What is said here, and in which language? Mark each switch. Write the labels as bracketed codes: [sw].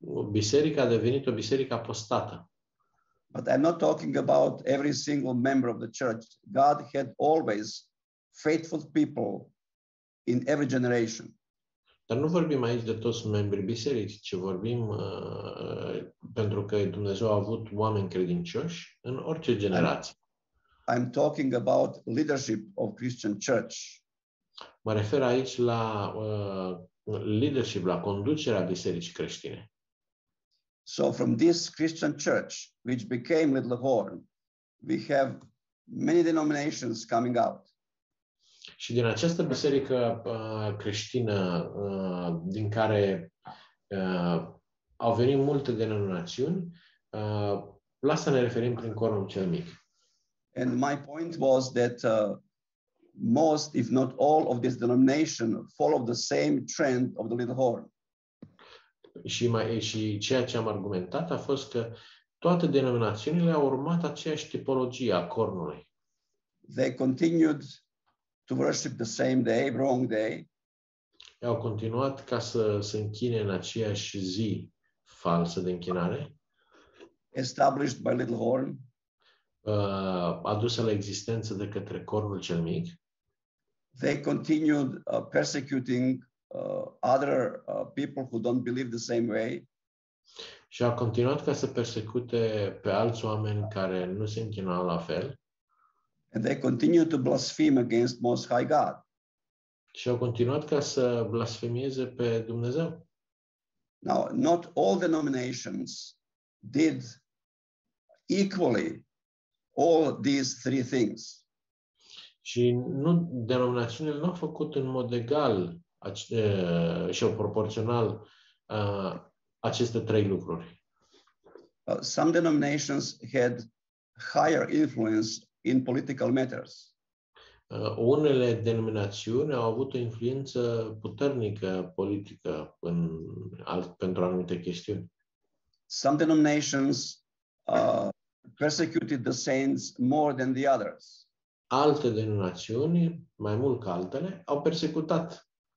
[ro] biserica a devenit o biserică apostată. [en] But I'm not talking about every single member of the church. God had always faithful people in every generation. [ro] Dar nu vorbim aici de toți membrii bisericii, ci vorbim pentru că Dumnezeu a avut oameni credincioși în orice generație. [en] I'm talking about leadership of Christian church. [ro] Mă refer aici la leadership, la conducerea bisericii creștine. [en] So from this Christian church, which became Little Horn, we have many denominations coming out. [ro] Și din această biserică creștină, din care au venit multe denominațiuni, la asta ne referim prin corul cel mic. [en] And my point was that most, if not all, of this denomination follow the same trend of the Little Horn. [ro] Și ceea ce am argumentat a fost că toate denominațiunile au urmat aceeași tipologie a cornului. [en] They continued to worship the same day, wrong day. [ro] Ei au continuat ca să se închine în aceeași zi falsă de închinare. [en] Established by Little Horn. [ro] Adusă la existență de către cornul cel mic. [en] They continued persecuting other people who don't believe the same way. [ro] Și au continuat ca să persecute pe alți oameni care nu se închinau la fel. [en] And they continue to blaspheme against Most High God. [ro] Și au continuat ca să blasfemieze pe Dumnezeu. [en] Now, not all denominations did equally all these three things. [ro] Și nu denominațiunile nu au făcut în mod egal și proporțional aceste trei lucruri. [en] Some denominations had higher influence in political matters. [ro] Unele denominațiuni au avut o influență puternică politică pentru anumite chestiuni. [en] Some denominations persecuted the saints more than the others. [ro] Alte denominațiuni, mai mult ca altele, au persecutat.